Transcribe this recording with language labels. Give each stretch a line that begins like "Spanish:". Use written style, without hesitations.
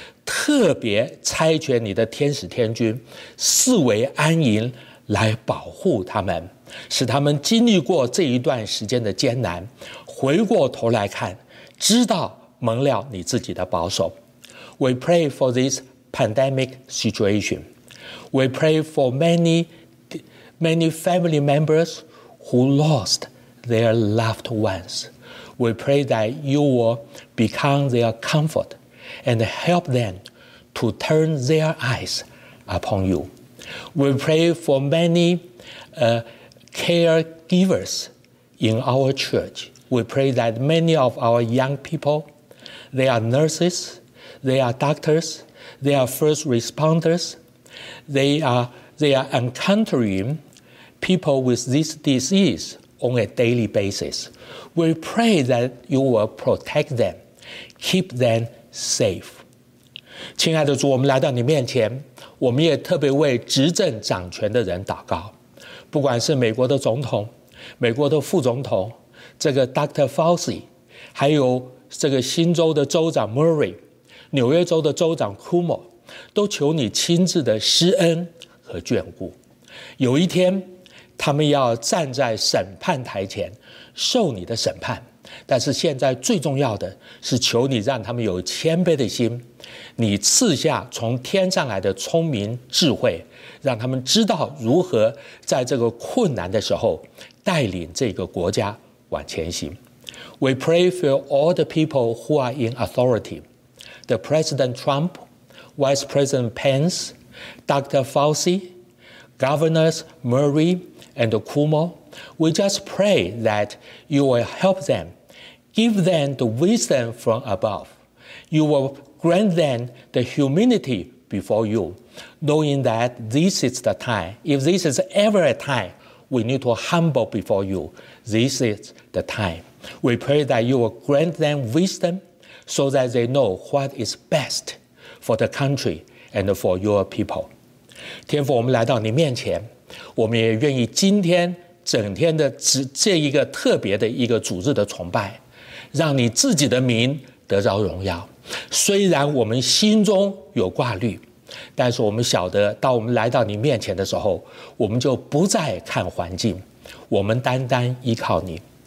Chinese: 特别差遣你的天使天君四围安营来保护他们，使他们经历过这一段时间的艰难，回过头来看知道蒙了你自己的保守。
English: We pray for this pandemic situation. We pray for many family members who lost their loved ones. We pray that you will become their comfort and help them to turn their eyes upon you. We pray for many caregivers in our church. We pray that many of our young people, they are nurses, they are doctors, they are first responders, they are encountering people with this disease on a daily basis. We pray that you will protect them, Keep them safe.
Chinese: 亲爱的主，我们来到你面前，我们也特别为执政掌权的人祷告，不管是美国的总统、美国的副总统这个 Dr. Fauci， 还有这个新州的州长 Murray， 纽约州的州长 Cuomo， 都求你亲自的施恩和眷顾。有一天他们要站在审判台前受你的审判，但是现在最重要的是求你让他们有谦卑的心，你赐下从天上来的聪明智慧，让他们知道如何在这个困难的时候带领这个国家往前行。
English: We pray for all the people who are in authority, the President Trump, Vice President Pence, Dr. Fauci, Governors Murray and Cuomo. We just pray that you will help them, give them the wisdom from above. You will grant them the humility before you, knowing that this is the time. If this is ever a time we need to humble before you, this is the time. We pray that you will grant them wisdom so that they know what is best for the country and for your people.
Chinese: 天父，我们来到你面前，我们也愿意今天整天的这一个特别的一个主日的崇拜，让你自己的名得着荣耀。虽然我们心中有挂虑，但是我们晓得当我们来到你面前的时候，我们就不再看环境，我们单单依靠你。